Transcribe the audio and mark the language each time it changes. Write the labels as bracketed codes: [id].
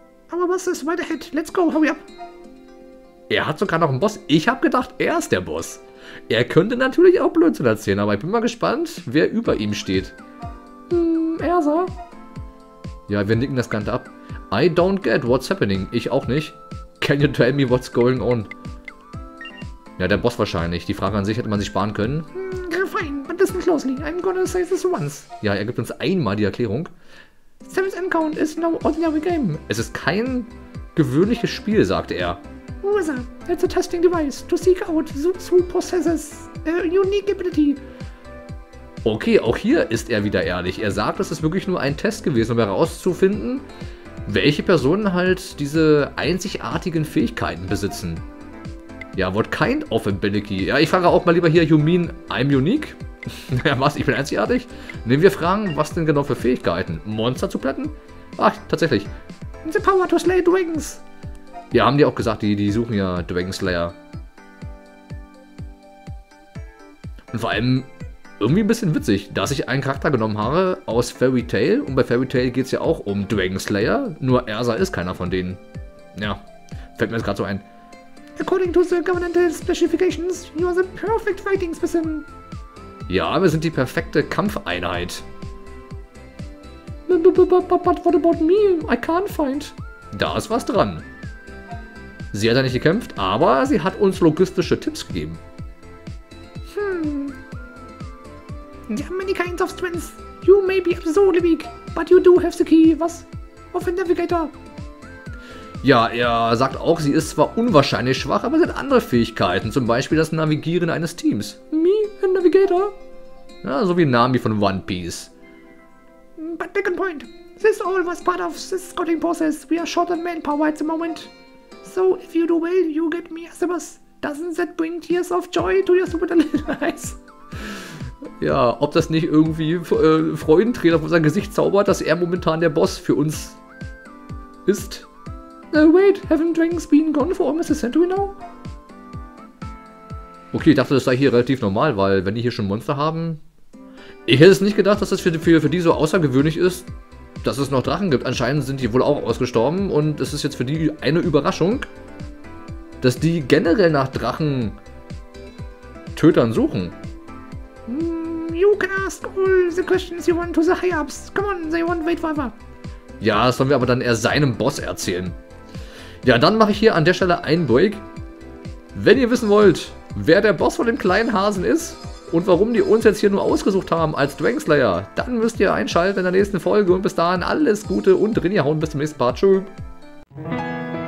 [de] Aber was ist weiter hin? [en] Let's go, hurry up. [de] Er hat sogar noch einen Boss. Ich habe gedacht, er ist der Boss. Er könnte natürlich auch Blödsinn erzählen, aber ich bin mal gespannt, wer über ihm steht. Ersa? Ja, wir nicken das Ganze ab. [en] I don't get what's happening. [de] Ich auch nicht. [en] Can you tell me what's going on? [de] Ja, der Boss wahrscheinlich. Die Frage an sich hätte man sich sparen können. [en] Fine, but listen closely. I'm gonna say this once. [de] Ja, er gibt uns einmal die Erklärung. [en] Seventh Encounter is no ordinary game. [de] Es ist kein gewöhnliches Spiel, sagte er. [en] Wither, that's a testing device to seek out those who possesses a unique ability. [de] Okay, auch hier ist er wieder ehrlich. Er sagt, das ist wirklich nur ein Test gewesen, um herauszufinden, welche Personen halt diese einzigartigen Fähigkeiten besitzen. Ja, [en] what kind of ability? [de] Ja, ich frage auch mal lieber hier, [en] you mean I'm unique? [de] Ja, was, ich bin einzigartig? Nehmen wir Fragen, was denn genau für Fähigkeiten? Monster zu plätten? Ach, tatsächlich. [en] The power to slay dragons. [de] Ja, haben die auch gesagt, die suchen ja Dragon Slayer. Und vor allem irgendwie ein bisschen witzig, dass ich einen Charakter genommen habe aus Fairy Tail. Und bei Fairy Tail geht es ja auch um Dragon Slayer. Nur Erza ist keiner von denen. Ja, fällt mir jetzt gerade so ein. [en] According to the governmental specifications, you are the perfect fighting specimen. [de] Ja, wir sind die perfekte Kampfeinheit. [en] But what about me? I can't fight. [de] Da ist was dran. Sie hat ja nicht gekämpft, aber sie hat uns logistische Tipps gegeben. [en] There are many kinds of strengths. You may be absolutely weak, but you do have the key. [de] Was? [en] Of a navigator. [de] Ja, er sagt auch, sie ist zwar unwahrscheinlich schwach, aber sie hat andere Fähigkeiten, zum Beispiel das Navigieren eines Teams. [en] Me, a navigator? [de] Ja, so wie Nami von One Piece. [en] But second point. This all was part of the scouting process. We are short on manpower at the moment. So, if you do well, you get me as a boss. Doesn't that bring tears of joy to your super little eyes? [de] Ja, ob das nicht irgendwie Freudentränen auf unser Gesicht zaubert, dass er momentan der Boss für uns ist. [en] Wait, haven't Dragons been gone for Mrs. Century now? [de] Okay, ich dachte, das sei hier relativ normal, weil wenn die hier schon Monster haben... Ich hätte es nicht gedacht, dass das für die so außergewöhnlich ist, dass es noch Drachen gibt. Anscheinend sind die wohl auch ausgestorben und es ist jetzt für die eine Überraschung, dass die generell nach Drachen Tötern suchen. You can ask all the questions you want to the high-ups. Come on, they won't wait forever. Ja, das sollen wir aber dann eher seinem Boss erzählen. Ja, dann mache ich hier an der Stelle einen Break. Wenn ihr wissen wollt, wer der Boss von dem kleinen Hasen ist und warum die uns jetzt hier nur ausgesucht haben als Dragon Slayer, dann müsst ihr einschalten in der nächsten Folge und bis dahin alles Gute und drin hauen. Bis zum nächsten Part. Tschüss.